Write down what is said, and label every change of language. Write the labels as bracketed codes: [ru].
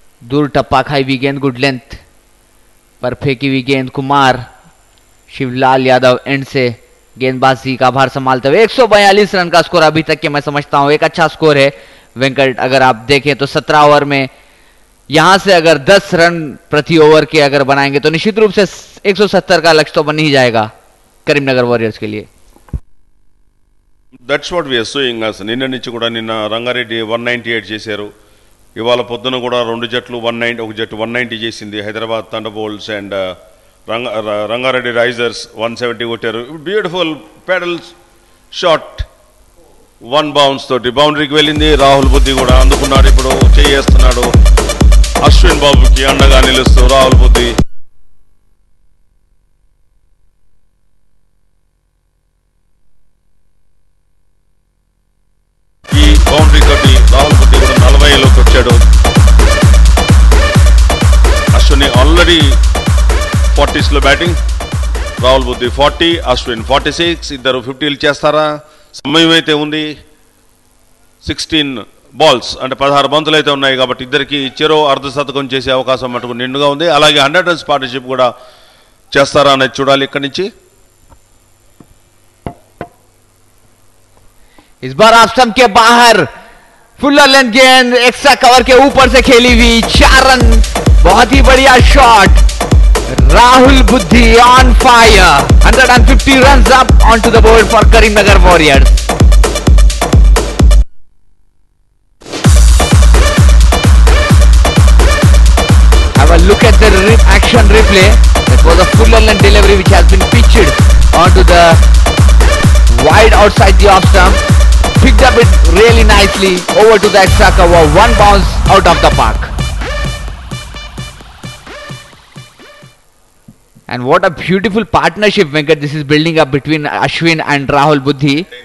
[hi] Door టప్పా ఖాయి we గేంద్ good length per ఫేకి we గేంద్ Kumar Shivlal Yadav and से गेंदबाजी का भार संभालते हुए 142 रन का स्कोर अभी तक के मैं समझता हूं एक अच्छा स्कोर है वेंकट. अगर आप देखें तो 17 ओवर में यहां से अगर 10 रन प्रति ओवर के अगर बनाएंगे तो निश्चित रूप से 170 का लक्ष्य तो बन ही जाएगा करीमनगर वॉरियर्स के लिए. [en] that's what we are showing us [te] నిన్న నుంచి కూడా నిన్న రంగారెడ్డి 198 చేశారు. ఇవాళ పొద్దున కూడా రెండు జట్లు 190, ఒక జట్టు 190 చేసింది. Hyderabad thunder బోల్స్ and Rangareddy Risers 170 కొట్టారు. బ్యూటిఫుల్ పెడల్స్ షాట్ 1 బౌన్స్ తోటి బౌండరీకి వెళ్ళింది. రాహుల్ బుద్ధి కూడా అందుకున్నాడు. ఇప్పుడు చేయేస్తున్నాడు అశ్విన్ బాబుకి అండగా నిలుస్తూ రాహుల్ బుద్ధి. ఈ బౌండరీ తోటి రాహుల్ బుద్ధి కూడా 40లోకి వచ్చాడు. అశ్విన్ ఆల్రెడీ 40స్ లో బ్యాటింగ్. రాహుల్ బుద్ధి 40, అశ్విన్ 46, ఇద్దరు 50లు చేస్తారా? సమయం అయితే ఉంది, 16 బాల్స్ అంటే 16 బంతులు అయితే ఉన్నాయి కాబట్టి ఇద్దరికి చెరో అర్ధశతకం చేసే అవకాశం మటుకు నిండుగా ఉంది. అలాగే 100 రన్స్ పార్టీషిప్ కూడా చేస్తారా అనేది చూడాలి. ఇక్కడి నుంచి [hi] इस बार आप स्टंप के बाहर फुल्लर लेंथ गेंद एक्स्ट्रा कवर के ऊपर से खेली हुई चार रन बहुत ही बढ़िया शॉट राहुल बुद्धि [en] On fire 150 run up on to the board for Karimnagar Warriors. Have a look at the action replay. That was a fuller length delivery which has been pitched on to the wide outside the off stump. Picked up it really nicely over to the extra cover. One bounce out of the park. And what a beautiful partnership, Venkat, this is building up between Ashwin and Rahul Buddhi.